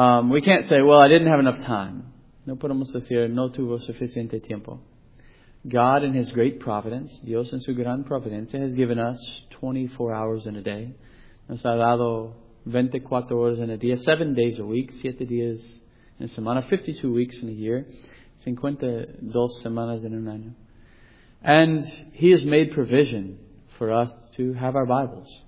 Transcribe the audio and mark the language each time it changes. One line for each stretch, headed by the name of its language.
English: We can't say, well, I didn't have enough time.
Spanish: No podemos decir, no tuvo suficiente tiempo.
English: God in His great providence,
Spanish: Dios en su gran providencia,
English: has given us 24 hours in a day.
Spanish: Nos ha dado 24 horas en el día,
English: 7 days a week,
Spanish: 7 días en semana,
English: 52 weeks in a year,
Spanish: 52 semanas en un año.
English: And He has made provision for us to have our Bibles.